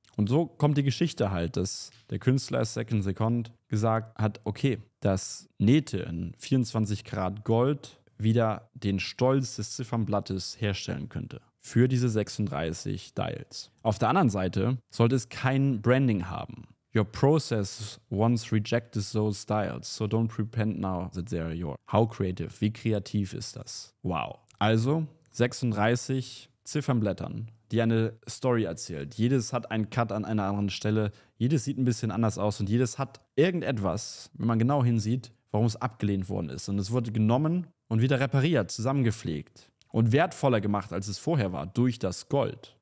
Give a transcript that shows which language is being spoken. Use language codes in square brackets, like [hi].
[de] Und so kommt die Geschichte halt, dass der Künstler Second Second gesagt hat, okay, das Nähte in 24 Karat Gold wieder den Stolz des Ziffernblattes herstellen könnte. Für diese 36 Dials. Auf der anderen Seite sollte es kein Branding haben. [en] Your process once rejected those styles, so don't repent now that they are yours. How creative, [de] wie kreativ ist das? Wow. Also 36 Ziffernblättern, die eine Story erzählt. Jedes hat einen Cut an einer anderen Stelle. Jedes sieht ein bisschen anders aus und jedes hat irgendetwas, wenn man genau hinsieht, warum es abgelehnt worden ist. Und es wurde genommen und wieder repariert, zusammengepflegt und wertvoller gemacht, als es vorher war, durch das Gold.